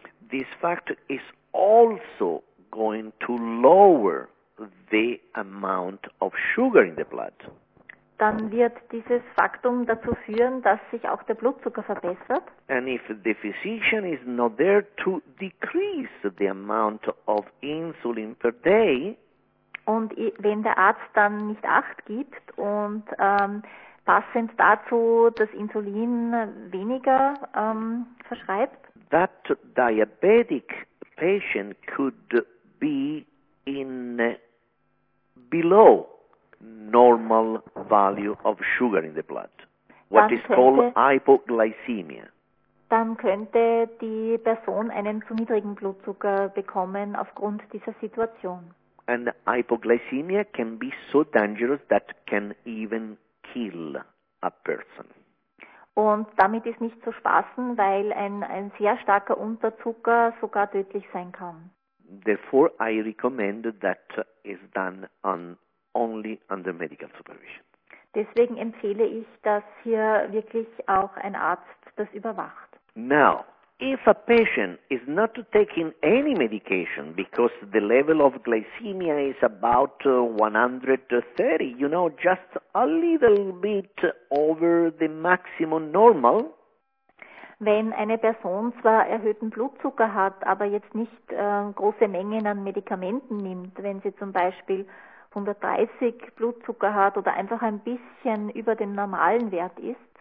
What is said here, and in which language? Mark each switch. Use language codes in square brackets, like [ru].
[en] this factor is also going to lower the amount of sugar in the blood. [de] Dann wird dieses Faktum dazu führen, dass sich auch der Blutzucker verbessert. [en] And if the physician is not there to decrease the amount of insulin per day, [de] und wenn der Arzt dann nicht Acht gibt und passend dazu das Insulin weniger verschreibt, [en] that diabetic patient could be in below normal value of sugar in the blood, what is called hypoglycemia. [de] Dann könnte die Person einen zu niedrigen Blutzucker bekommen aufgrund dieser Situation. [en] And hypoglycemia can be so dangerous that can even kill a person. [de] Und damit ist nicht zu spaßen, weil ein sehr starker Unterzucker sogar tödlich sein kann. [en] Therefore, I recommend that is done only under medical supervision. [de] Deswegen empfehle ich, dass hier wirklich auch ein Arzt das überwacht. [en] Now, if a patient is not taking any medication because the level of glycemia is about 130, you know, just a little bit over the maximum normal. [de] Wenn eine Person zwar erhöhten Blutzucker hat, aber jetzt nicht große Mengen an Medikamenten nimmt, wenn sie zum Beispiel 130 Blutzucker hat oder einfach ein bisschen über dem normalen Wert ist.